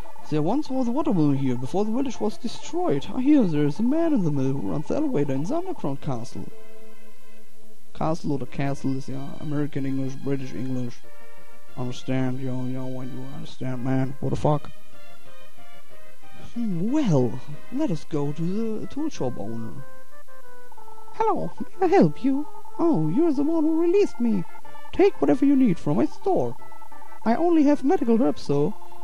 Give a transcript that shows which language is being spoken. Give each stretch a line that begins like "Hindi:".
English: There once was a water mill here before the village was destroyed. I hear there is a man in the mill who runs the elevator in Thundercrown Castle.
German: Castle oder Castle ist ja American English, British English.
English: Understand, yo, when you understand, man. What the fuck? Well, let us go to the tool shop owner. Hello, may I help you? Oh, you're the one who released me. Take whatever you need from my store. I only have medical herbs, so...